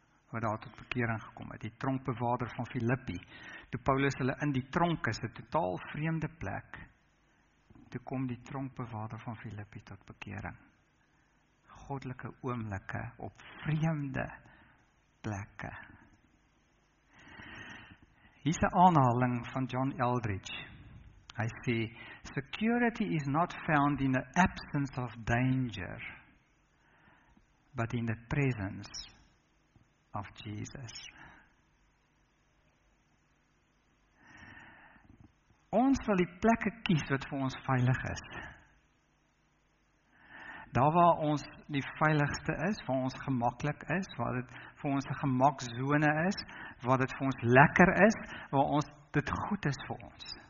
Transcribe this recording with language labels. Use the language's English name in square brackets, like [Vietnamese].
[Afrikaans] Wat daar tot bekering gekom het, die tronkbewaarder van Filippi, toe Paulus hulle in die tronk is, 'n totaal vreemde plek, toe kom die tronkbewaarder van Filippi tot bekering. Goddelike oomblikke op vreemde plekke. Hier is 'n aanhaling van John Eldridge. Hy sê, [English] "Security is not found in the absence of danger, but in the presence of Jesus." [Afrikaans] Ons wil die plekke kies wat vir ons veilig is. Daar waar ons die veiligste is, waar ons gemaklik is, waar dit vir ons 'n gemaksone is, waar dit vir ons lekker is, waar ons dit goed is vir ons.